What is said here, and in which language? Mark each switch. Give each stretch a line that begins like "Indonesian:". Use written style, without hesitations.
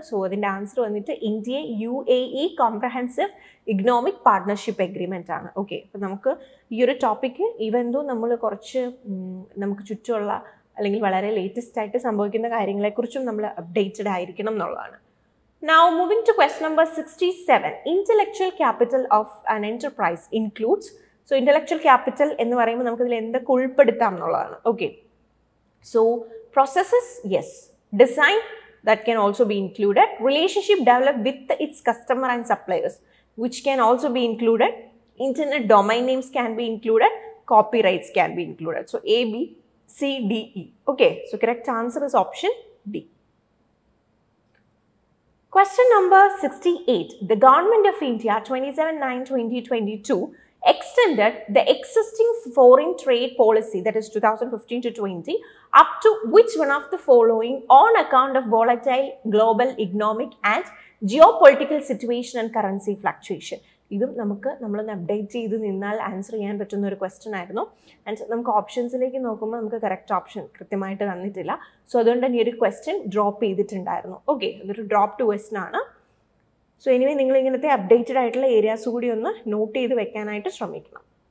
Malayalam: So അതിൻ്റെ answer വന്നിട്ട് India U A E comprehensive economic partnership agreement ആണ്. Okay, അപ്പോൾ നമുക്ക് ഈ ഒരു ടോപ്പിക്ക് ഇവന്തോ നമ്മൾ കുറച്ച് നമുക്ക് ചുറ്റുമുള്ള അല്ലെങ്കിൽ വളരെ ലേറ്റസ്റ്റ് ആയിട്ട് സംഭവിക്കുന്ന കാര്യങ്ങളെക്കുറിച്ചും നമ്മൾ അപ്ഡേറ്റഡ് ആയിരിക്കണം എന്നുള്ളതാണ്.
English: Now moving to question number 67, intellectual capital of an enterprise includes.
Malayalam: So intellectual capital എന്ന് പറയുമ്പോൾ നമുക്കിതിൽ എന്തൊക്കെ ഉൾപ്പെടുത്താം എന്നുള്ളതാണ്.
English: Okay, so processes, yes, design, that can also be included, relationship develop with its customer and suppliers which can also be included, internet domain names can be included, copyrights can be included. So A, B, C, D, E. Okay, so correct answer is option D. Question number 68, the government of India 27/9/2022 extended the existing foreign trade policy, that is 2015 to 2020, up to which one of the following on account of volatile global economic and geopolitical situation and currency fluctuation?
Malayalam: ഇതും നമുക്ക് നമ്മളൊന്ന് update ചെയ്ത് നിന്നാൽ answer ചെയ്യാൻ പറ്റുന്ന ഒരു question ആയിരുന്നു. And നമുക്ക് ഓപ്ഷൻസിലേക്ക് നോക്കുമ്പോൾ നമുക്ക് കറക്റ്റ് ഓപ്ഷൻ കൃത്യമായിട്ട് തന്നിട്ടില്ല. സോ അതുകൊണ്ട് തന്നെ ഈ ഒരു ക്വസ്റ്റ്യൻ ഡ്രോപ്പ് ചെയ്തിട്ടുണ്ടായിരുന്നു. ഓക്കെ, അതൊരു ഡ്രോപ്പ് ടു ക്വസ്റ്റ്യൻ ആണ്. സോ എനിവേ, നിങ്ങൾ ഇങ്ങനത്തെ അപ്ഡേറ്റഡ് ആയിട്ടുള്ള ഏരിയാസ് കൂടി ഒന്ന് നോട്ട് ചെയ്ത് വെക്കാനായിട്ട് ശ്രമിക്കണം.